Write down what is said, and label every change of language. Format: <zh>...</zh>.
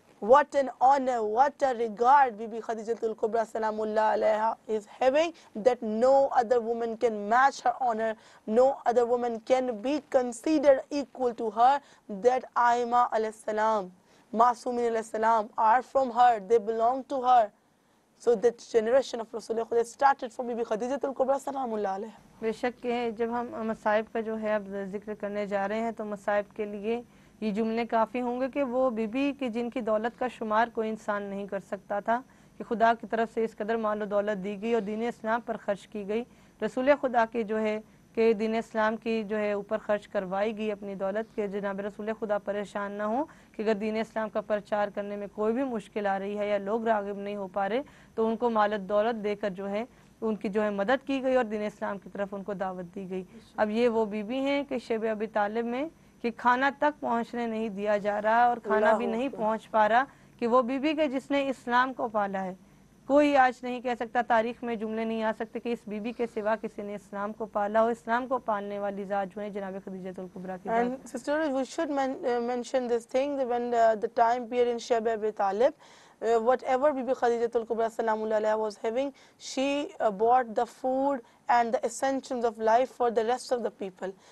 <en>What an honor, what a regard Bibi Khadija al-Kubra salamullah alayha is having that no other woman can match her honor, no other woman can be considered equal to her, that Aima alayhi salam, Masumin alayhi salam are from her, they belong to her. So the generation of Rasul Khuda started from Bibi Khadija Tul Kubra Salamullah Alayha.</en> <ur>بے شک جب ہم مصائب کا جو ہے اب ذکر کرنے جا رہے ہیں تو مصائب کے لیے یہ جملے کافی ہوں گے کہ وہ بی بی کی جن کی دولت کا شمار کوئی انسان نہیں کر سکتا تھا کہ خدا کی طرف سے اس قدر مال و دولت دی گئی اور دین اسلام پر خرچ کی گئی رسول خدا کے جو ہے کہ دین اسلام کی جو ہے اوپر خرچ کروائی گئی اپنی دولت کے جناب رسول خدا پریشان نہ ہوں کہ اگر دین اسلام کا پرچار کرنے میں کوئی بھی مشکل آ رہی ہے یا لوگ راغب نہیں ہو پا رہے تو ان کو مال و دولت دے کر جو ہے ان کی جو ہے مدد کی گئی اور دین اسلام کی طرف ان کو دعوت دی گئی اب یہ وہ بی بی ہیں کہ شیب ابی طالب میں کہ کھانا تک پہنچنے نہیں دیا جا رہا اور کھانا بھی نہیں پہنچ پا رہا کہ وہ بی بی کے جس نے اسلام کو پالا ہے کوئی آج نہیں کہہ سکتا تاریخ میں جملے نہیں آ سکتے کہ اس بی بی کے سوا کسی نے اسلام کو پالا ہو اسلام کو پالنے والی ذات جو ہیں جناب خدیجہ الکبریٰ کی</ur> <en>And sister, we should mention this thing that when the time period in شیب ابی طالب whatever Bibi Khadija Tul Kubra Salamullah was having, she bought the food and the essentials of life for the rest of the people.</en>